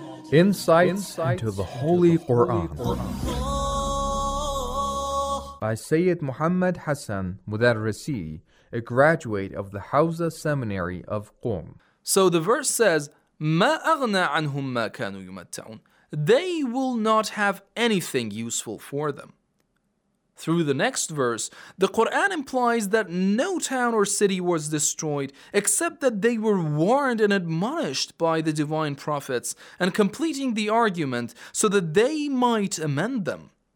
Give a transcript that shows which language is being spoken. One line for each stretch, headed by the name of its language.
English: Insights into the Holy Quran by Sayyid Muhammad Hassan Mudarrisi, a graduate of the Hawza Seminary of Qom. So the verse says,
Arabic: مَا أَغْنَى عَنْهُمْ مَا كَانُوا يُمَتَّعُونَ.
English: They will not have anything useful for them. Through the next verse, the Quran implies that no town or city was destroyed except that they were warned and admonished by the divine prophets and completing the argument so that they might amend them.